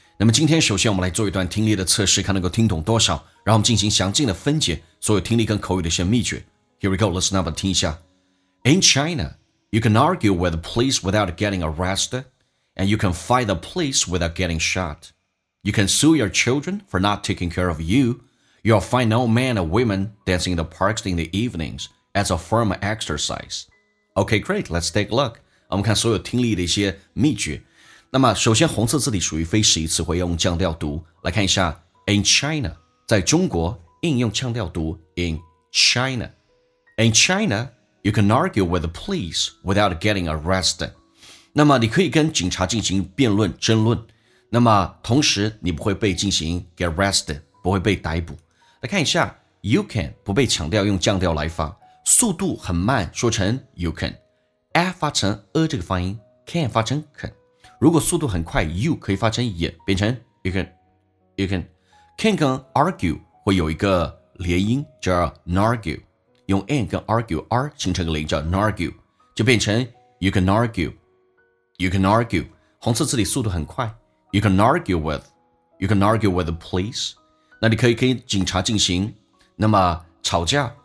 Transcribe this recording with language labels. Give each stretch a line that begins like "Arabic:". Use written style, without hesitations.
Chinese: 那么今天首先我们来做一段听力的测试，看能够听懂多少，然后我们进行详尽的分解所有听力跟口语的一些秘诀。
English: Here we go, listen up and
Chinese: 听一下。
English: In China, you can argue with the police without getting arrested, and you can fight the police without getting shot. You can sue your children for not taking care of you. You'll find no man or women dancing in the parks in the evenings as a form of exercise. Okay, great. Let's take a look.
Chinese: 我们看所有听力的一些秘诀。那么首先红色字体属于非实义词汇，用降调读。来看一下 ,
English: in China,
Chinese: 在中国应用降调读 ,in China。
English: In China, you can argue with the police without getting arrested.
Chinese: 那么你可以跟警察进行辩论、争论。那么同时你不会被进行
English: get arrested,
Chinese: 不会被逮捕。来看一下 ,
English: you can,
Chinese: 不被强调用降调来发。速度很慢说成 you can， f 发成 a 这个发音， can 发成 can， 如果速度很快 you 可以发成也，变成 you can， you can， can 跟 argue 会有一个连音叫 nargue， 用 n 跟 argue r 形成个连叫 nargue， 就变成 you can argue， you can argue， 红色字体速度很快， you can argue with，
English: you can argue with the police，
Chinese: 那你可以跟警察进行那么吵架。